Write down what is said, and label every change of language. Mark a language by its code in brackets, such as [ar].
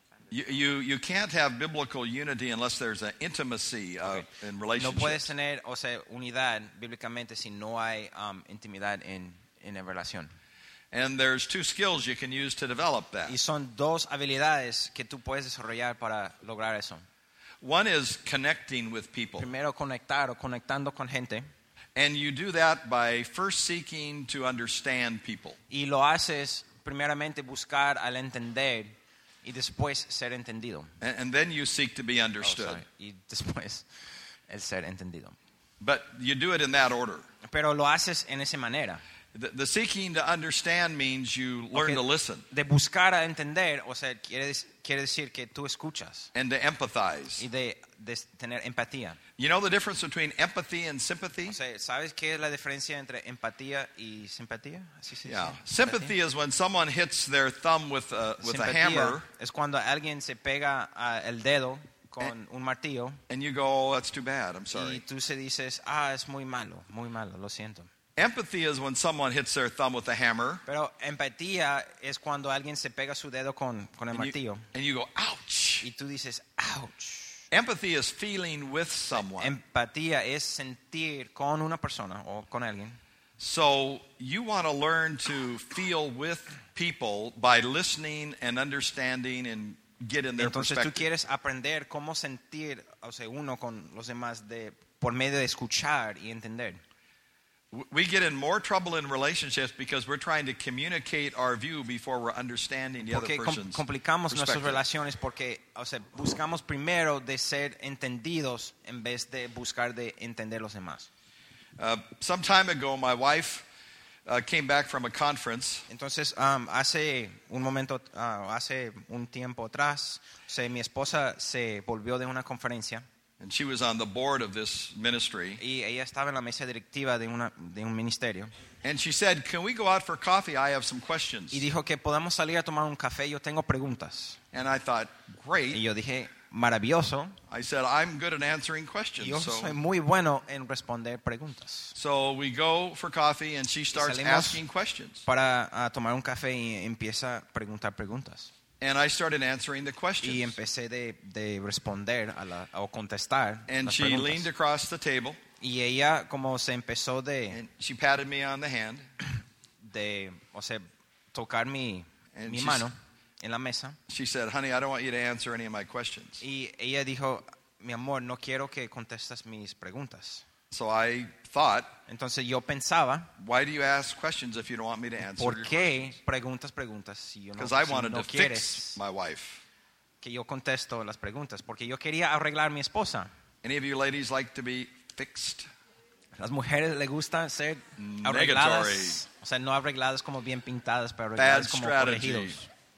[en] You can't have biblical unity unless there's an intimacy in relationships. [es] No puedes tener, o sea, unidad bíblicamente si no hay intimidad en la relación. [en] And there's two skills you can use to develop that. [es] Y son dos habilidades que tú puedes desarrollar para lograr eso. [en] One is connecting with people. [es] Primero conectar o conectando con gente. [en] And you do that by first seeking to understand people. [es] Y lo haces primeramente buscar al entender. Y después ser entendido. [en] And then you seek to be understood. [es] Y después el ser entendido. [en] But you do it in that order. [es] Pero lo haces en esa manera. [en] The seeking to understand means you learn to listen. [es] De buscar a entender, o sea, quiere decir que tú escuchas. [en] And to empathize. [es] Y de tener empatía. [en] You know the difference between empathy and sympathy? [es] O sea, ¿sabes qué es la diferencia entre empatía y simpatía? Sí. Yeah. [en] Sympathy is when someone hits their thumb with a hammer. [es] Es cuando alguien se pega el dedo con un martillo. [en] And you go, oh, that's too bad, I'm sorry. [es] Y tú se dices, ah, es muy malo, lo siento. [en] Empathy is when someone hits their thumb with a hammer. [es] Pero empatía es cuando alguien se pega su dedo con el martillo. [en] And you go, ouch. [es] Y tú dices, ouch. [en] Empathy is feeling with someone. [es] Empatía es sentir con una persona o con alguien. [en] So you want to learn to feel with people by listening and understanding and get in their [es] Entonces, [en] perspective. [es] Entonces tú quieres aprender cómo sentir, o sea, uno con los demás de por medio de escuchar y entender. [en] We get in more trouble in relationships because we're trying to communicate our view before we're understanding the [es] porque [en] other person's perspective. [es] Complicamos nuestras relaciones porque, o sea, buscamos primero de ser entendidos en vez de buscar de entender los demás. [en] Some time ago, my wife came back from a conference. [es] Entonces, hace un tiempo atrás, o sea, mi esposa se volvió de una conferencia. [en] And she was on the board of this ministry. [es] Y ella estaba en la mesa directiva de un ministerio. [en] And she said, "Can we go out for coffee? I have some questions." [es] Y dijo que podamos salir a tomar un café. Yo tengo preguntas. [en] And I thought, "Great." [es] Y yo dije, maravilloso. [en] I said, "I'm good at answering questions." [es] Yo soy muy bueno en responder preguntas. [en] So we go for coffee, and she starts asking questions. [es] Para tomar un café y empieza a preguntar preguntas. [en] And I started answering the questions. [es] Y empecé de responder a la o contestar. [en] And [es] las [en] she [es] preguntas. [en] Leaned across the table. [es] Y ella como se empezó de. [en] And she patted me on the hand. [es] De o sea tocar mi mano en la mesa. [en] She said, "Honey, I don't want you to answer any of my questions." [es] Y ella dijo, "Mi amor, no quiero que contestas mis preguntas." [en] So I thought. [es] Entonces yo pensaba. [en] Why do you ask questions if you don't want me to answer your questions? [es] ¿Por qué preguntas si yo no? [en] Because I wanted to fix my wife. [es] Que yo contesto las preguntas porque yo quería arreglar mi esposa. [en] Any of you ladies like to be fixed? [es] Las mujeres le gusta ser arregladas. [en] Negatory. [es] O sea, no arregladas como bien pintadas, pero arregladas como corregidos.